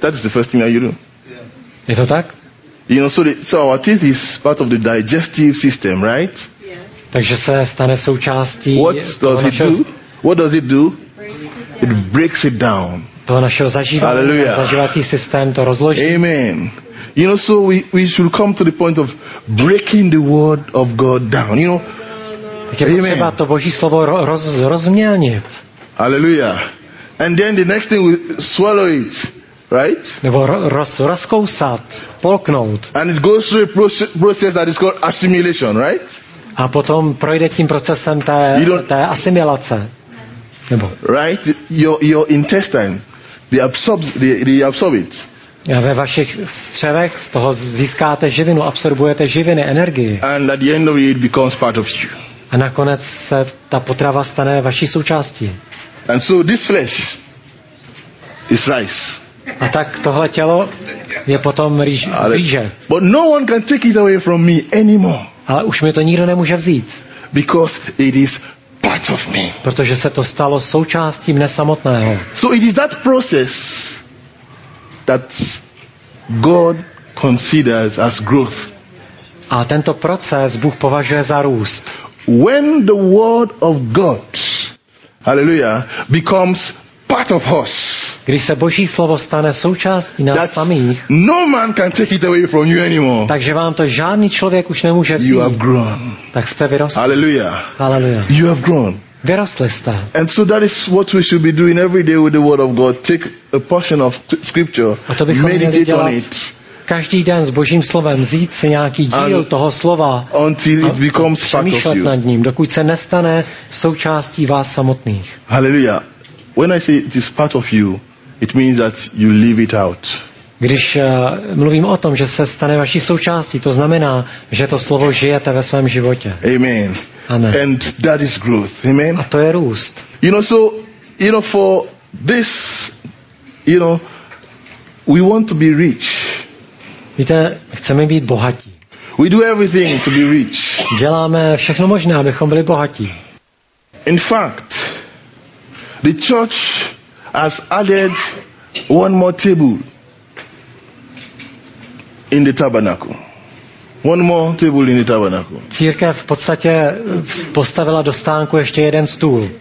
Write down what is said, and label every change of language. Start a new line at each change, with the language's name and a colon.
English: That is the first thing that you do.
Czech: Yeah. Je to tak?
English: You know, so our teeth is part of the digestive system, right? Yes.
Czech: Takže se stane součástí.
English: What does it
Czech: našeho...
English: do? What does it do? It breaks it down.
Czech: To našeho zažívací systém to rozloží. Amen.
English: You know, so we should come to the point of breaking the word of God down. You know.
Czech: Tak je potřeba to Boží slovo rozmělnit. Hallelujah.
English: And then the next thing we swallow it, right?
Czech: Nebo rozkousat, polknout.
English: And it goes through a process that is called assimilation, right?
Czech: A potom projde tím procesem té asimilace. Nebo
English: right? Your intestine they absorb it.
Czech: A ve vašich střevech z toho získáte živinu, absorbujete živiny, energii.
English: And at the end of it becomes part of you.
Czech: A nakonec se ta potrava stane vaší součástí.
English: And so this flesh is rice.
Czech: A tak tohle tělo je potom rýže.
English: But no one can take it away from me anymore.
Czech: Ale už mi to nikdo nemůže vzít.
English: Because it is part of me.
Czech: Protože se to stalo součástí mne samotného.
English: So it is that process that God considers as growth.
Czech: A tento proces Bůh považuje za růst.
English: When the word of God, hallelujah, becomes part of us.
Czech: Když se Boží slovo stane součástí nás samých.
English: No man can take it away from you anymore.
Czech: Takže vám to žádný člověk už nemůže vzít.
English: You have grown.
Czech: Tak jste vyrostli. Hallelujah. Hallelujah.
English: You have grown.
Czech: Vyrostli jste.
English: And so that is what we should be doing every day with the word of God. Take a portion of scripture.
Czech: A to bychom
English: meditate
Czech: měli dělat
English: on it.
Czech: každý den s Božím slovem vzít si nějaký díl toho slova
English: until it becomes
Czech: a přemýšlet nad ním, dokud se nestane součástí vás samotných. Hallelujah.
English: When I say it is part of you, it means that you live it out.
Czech: Když mluvím o tom, že se stane vaší součástí, to znamená, že to slovo žijete ve svém životě. Amen. Amen.
English: And that is growth. Amen.
Czech: A to je růst.
English: You know, so, you know, for this, you know, we want to be rich.
Czech: Víte, chceme být bohatí.
English: We do everything to be rich.
Czech: Děláme všechno možné, abychom byli bohatí.
English: In fact, the church has added one more table in the tabernacle. One more table in the tabernacle.
Czech: Církev v podstatě postavila do stánku ještě jeden stůl.